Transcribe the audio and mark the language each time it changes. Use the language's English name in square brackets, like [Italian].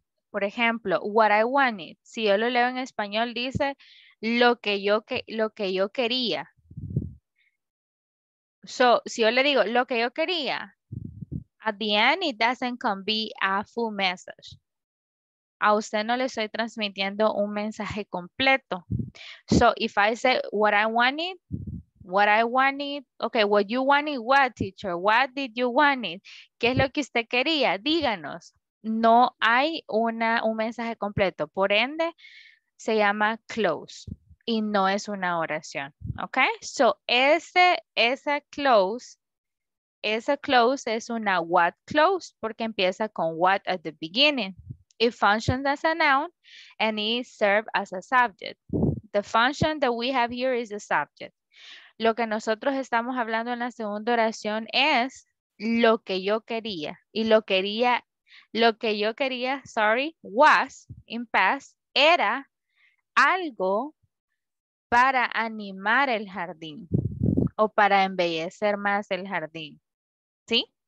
[Spanish] Por ejemplo, [English] what I wanted, [Spanish] si yo lo leo en español dice lo que yo quería. [English] So, [Spanish] si yo le digo lo que yo quería, [English] at the end, it doesn't convey a full message. [Spanish] A usted no le estoy transmitiendo un mensaje completo. [English] So if I say what you wanted, what teacher, what did you wanted? [Spanish] ¿Qué es lo que usted quería? Díganos. No hay un mensaje completo. Por ende, se llama close y no es una oración. [English] Okay? So [Spanish] ese close es una [English] what clause [Spanish] porque empieza con [English] what at the beginning. It functions as a noun and it serves as a subject. The function that we have here is a subject. [Spanish] Lo que nosotros estamos hablando en la segunda oración es lo que yo quería. Y lo que yo quería [English] was in past, [Spanish] era algo para animar el jardín o para embellecer más el jardín. ¿Sí?